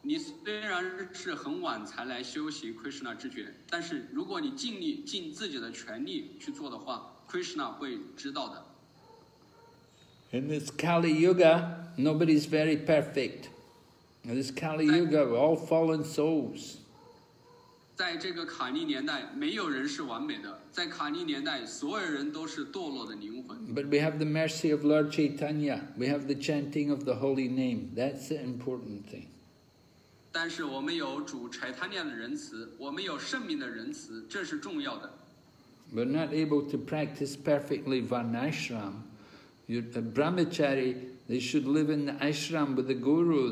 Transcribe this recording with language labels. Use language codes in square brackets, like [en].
[zh] 你虽然是很晚才来修习 Krishna 之觉，但是如果你尽力尽自己的全力去做的话， Krishna 会知道的。 [en] In this Kali Yuga, nobody's very perfect. In this Kali Yuga, we're all fallen souls. [zh] 在这个卡利年代，没有人是完美的。在卡利年代，所有人都是堕落的灵魂。 [en] But we have the mercy of Lord Chaitanya. We have the chanting of the holy name. That's the important thing. [zh] 但是我们有主柴坦尼亚的仁慈，我们有圣名的仁慈，这是重要的。 [en] We're not able to practice perfectly Varnashram. A brahmachari, they should live in the ashram with the guru.